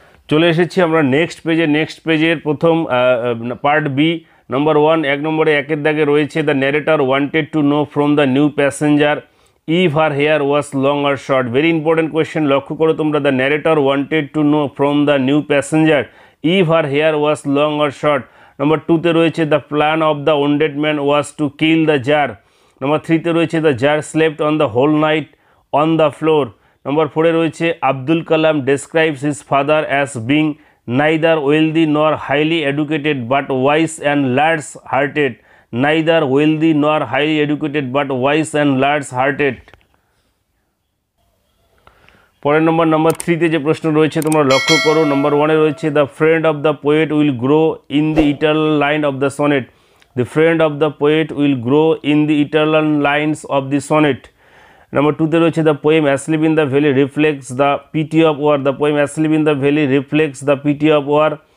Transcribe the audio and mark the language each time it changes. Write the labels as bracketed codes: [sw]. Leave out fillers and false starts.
[bn] চলে এসেছি আমরা নেক্সট পেজে, নেক্সট পেজের প্রথম পার্ট বি, নম্বর ওয়ান এক নম্বরে একের দাগে রয়েছে [en] the narrator wanted to know from the new passenger if her hair was long or short, very important question, [bn] লক্ষ্য করো তোমরা, [en] The narrator wanted to know from the new passenger if her hair was long or short. [bn] নম্বর টুতে রয়েছে [en] The plan of the wanted man was to kill the czar. [bn] নম্বর থ্রিতে রয়েছে [en] The czar slept on the whole night on the floor. [bn] নম্বর ফোরে রয়েছে [en] Abdul Kalam describes his father as being neither wealthy nor highly educated but wise and large hearted. Neither wealthy nor highly educated but wise and large hearted. [bn] পরের নম্বর নম্বর থ্রিতে যে প্রশ্ন রয়েছে তোমরা লক্ষ্য করো, নম্বর ওয়ানে রয়েছে [en] The friend of the poet will grow in the eternal line of the sonnet, the friend of the poet will grow in the eternal lines of the sonnet. [bn] নম্বর টুতে রয়েছে [en] The poem asleep in the valley reflects the pity of war, the poem asleep in the valley reflects the pity of war.